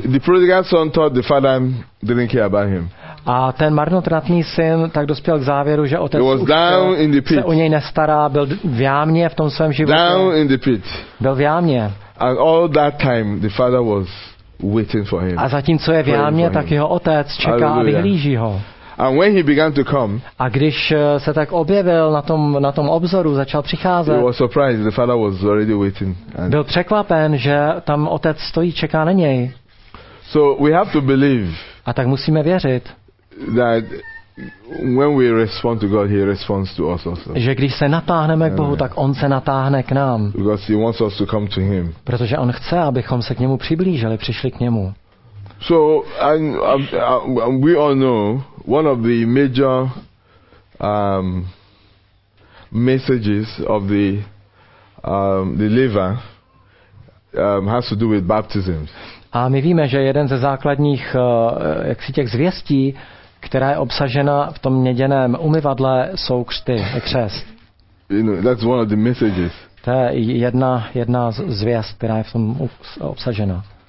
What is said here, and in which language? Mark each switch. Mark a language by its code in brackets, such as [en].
[en] The prodigal son thought the father didn't care about him. [cs] A ten marnotratný syn tak dospěl k závěru, že otec už se o něj nestará, byl v jámě v tom svém životě. [en] Down in the pit. [cs] Byl v jámě. [en] And all that time the father was waiting for him. [cs] A zatímco je v jámě, tak jeho otec čeká. Alleluja. A vyhlíží ho. [en] And when he began to come, [cs] a když se tak objevil na tom obzoru, začal přicházet, [en] he was surprised. The father was already waiting. [cs] And byl překvapen, že tam otec stojí, čeká na něj. [en] So we have to believe, [cs] a tak musíme věřit, [en] that when we respond to God, he responds to us also. [cs] Že když se natáhneme k Bohu, tak on se natáhne k nám. [en] Because he wants us to come to him. [cs] Protože on chce, abychom se k němu přiblížili, přišli k němu. [en] So and we all know one of the major messages of the liver has to do with baptisms. [cs] A my víme, že jeden ze základních těch zvěstí, která je obsažena v tom měděném umyvadle, jsou křty, křest. [en] You know, that's one of the messages. [cs] To je jedna z věst, která je v tom obsažena.